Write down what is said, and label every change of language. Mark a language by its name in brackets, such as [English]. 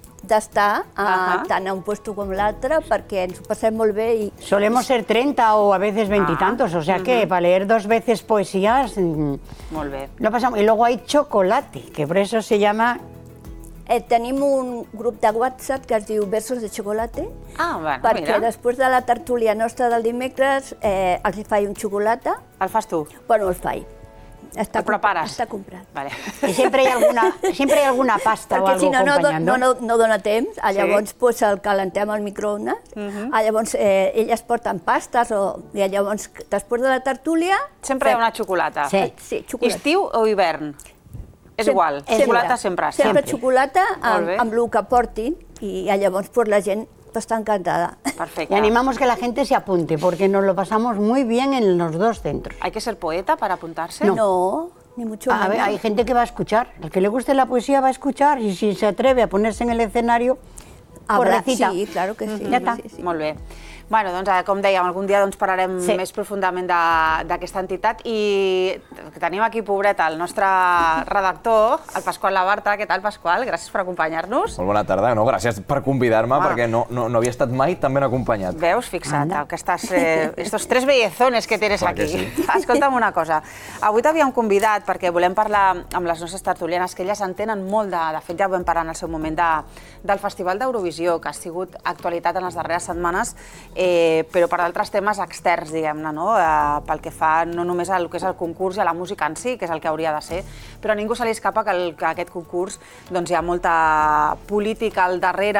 [Catalan] D'estar tant a un puesto com l'altre, perquè ens ho passem molt bé. I... [Spanish] Solemos ser 30 o a veces 20 y tantos, o sea que para leer dos veces poesías... [Catalan] Molt bé. [Spanish] Lo pasamos. Y luego hay chocolate, que por eso se llama... [Catalan] Tenim un grup de WhatsApp que es diu Versos de Chocolate. Ah, bueno, perquè mira. Després de la tertúlia nostra del dimecres els hi faig un xocolata. El fas tu? Bueno, el faig. Està el prepares? Està comprat. Vale. I sempre hi ha alguna pasta perquè o alguna cosa acompanyant, no? Perquè si no, no dona temps. Llavors pues, el calentem al microones. Llavors elles porten pastes o... I llavors, després de la tertúlia... Sempre hi ha una xocolata. Sí, xocolata. Estiu o hivern? És igual, xocolata sempre. Xocolata amb el que portin i llavors pues, la gent està encantada. Perfecte. [Spanish] Y animamos que la gent se apunte porque nos lo pasamos muy bien en los dos centros. ¿Hay que ser poeta para apuntarse? No. Ni mucho menos. A ver, hay gente que va a escuchar. El que le guste la poesía va a escuchar y si se atreve a ponerse en el escenario... Correcita. Sí, claro que sí. [Catalan] Ja està. Sí. Molt bé. Bueno, doncs, com dèiem, algun dia doncs, parlarem sí. més profundament d'aquesta entitat. I tenim aquí, pobreta, el nostre redactor, el Pasqual Labarta. Què tal, Pasqual? Gràcies per acompanyar-nos. Molt bona tarda. No, gràcies per convidar-me, perquè no havia estat mai tan ben acompanyat. Veus, fixa't, que estàs... estos tres bellezones que tens aquí. Sí. Escolta'm una cosa. Avui t'havíem convidat perquè volem parlar amb les nostres tertulianes, que elles entenen molt de fet, ja ho vam parlar en el seu moment, del Festival d'Eurovisió, que ha sigut actualitat en les darreres setmanes, però per altres temes externs, diguem-ne, no? Pel que fa no només al que és el concurs i a la música en si, que és el que hauria de ser, però a ningú se li escapa que aquest concurs doncs, hi ha molta política al darrere.